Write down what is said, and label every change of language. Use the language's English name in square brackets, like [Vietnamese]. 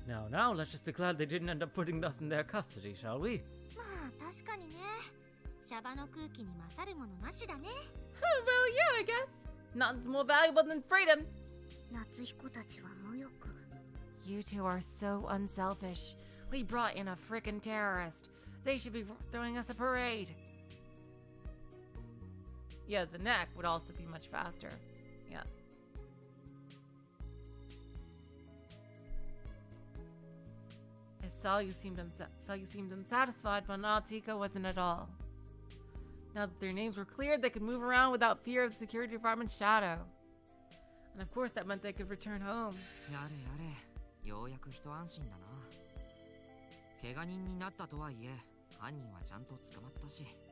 [English] Now, let's just be glad they didn't end up putting us in their custody, shall we? [Japanese] 確かにね。シャバの空気に勝るものなしだね。 [English] Well, yeah, I guess. Nothing's more valuable than freedom. [Japanese] 夏彦たちは無欲。 [English] You two are so unselfish. We brought in a freaking terrorist. They should be throwing us a parade. Yeah, the neck would also be much faster. Yeah. I saw you seemed unsatisfied, but Natsuhiko wasn't at all. Now that their names were cleared, they could move around without fear of the security department's shadow. And of course, that meant they could return home. [Japanese] Yare, yare. ようやく一安心だな。怪我人になったとはいえ、犯人はちゃんと捕まったし。